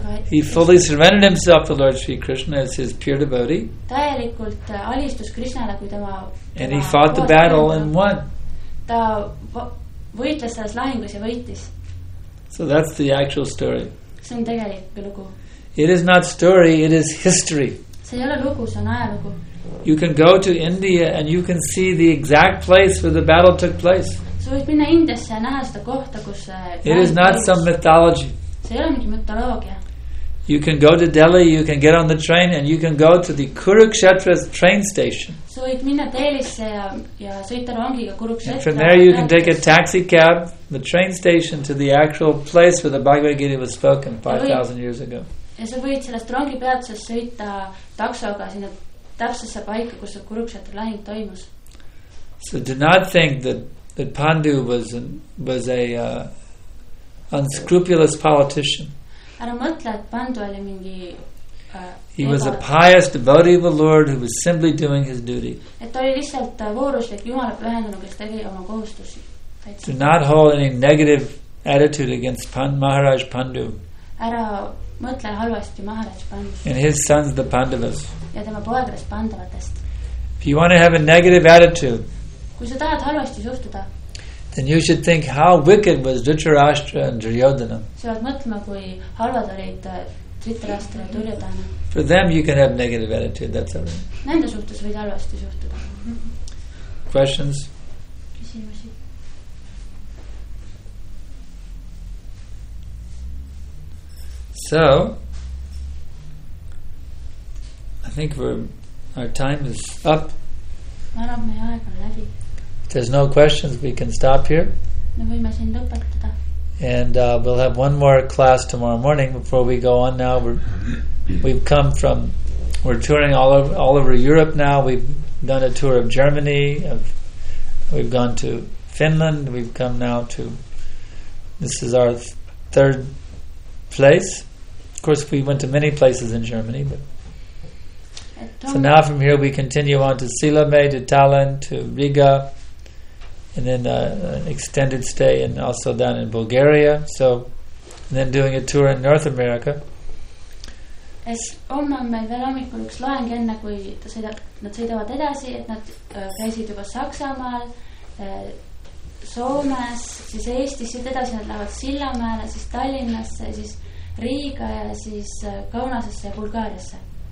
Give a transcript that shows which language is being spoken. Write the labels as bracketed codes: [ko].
[en] He fully surrendered himself to Lord Sri Krishna as his pure devotee. And he fought the battle and won. [et] Ta võitles selles lahingus ja võitis. [en] So that's the actual story. [et] See on tegelik lugu. [en] It is not story, it is history. [et] See ei ole lugu, see on ajalugu. [en] You can go to India and you can see the exact place where the battle took place. [et] See võib minna Indiasse ja näha seda kohta, kus [en] it is not some mythology. [et] See ei ole mingi mütoloogia. [en] You can go to Delhi, you can get on the train and you can go to the Kurukshetra train station. [et] See võib minna Delhisse ja sõita rongiga Kurukshetra. [en] And from there you can take a taxi cab, the train station, to the actual place where the Bhagavad Gita was spoken 5,000 years ago. [et] Ja sa võid sellest rongi peatusest sõita taksoga sinna täpsesse paika, kus see Kurukshetra lahing toimus. [en] So do not think that Pandu was a unscrupulous politician. [et] Ära mõtle, et Pandu oli mingi [en] He was a pious devotee of the Lord who was simply doing his duty. [et] Et oli lihtsalt vooruslik Jumala pühendunu, kes tegi oma kohustusi. [en] Do not hold any negative attitude against Maharaj Pandu. [et] Ära mõtle halvasti Maharaj Pandavast. [en] And his sons the Pandavas. [et] Ja tema poegades Pandavatest. [en] If you want to have a negative attitude, [et] kui sa tahad halvasti suhtuda, [en] then you should think how wicked was Dhritarashtra and Duryodhana. [et] Sa pead mõtlema, kui halvad olid Dhritarashtra ja Duryodhana. [en] For them you can have negative attitude, that's all right. [et] Nende suhtes võid halvasti suhtuda. [en] Questions? So, I think our time is up. If there's no questions, we can stop here. And we'll have one more class tomorrow morning before we go on now. We've come from We're touring all over Europe now. We've done a tour of Germany. We've gone to Finland. We've come now to... This is our third place. Of course, we went to many places in Germany. But so now from here, we continue on to Silame, to Tallinn, to Riga, and then an extended stay and also down in Bulgaria. So then doing a tour in North America. [et] Es homme on meil veel hommikul üks loeng enne, kui ta sõidab, nad sõidavad edasi, et nad käisid juba Saksamaal, Soomes, siis Eestis, siit edasi nad lähevad Sillamäele, siis Tallinnasse, siis Riiga ja siis Kaunasesse ja Bulgaariasse.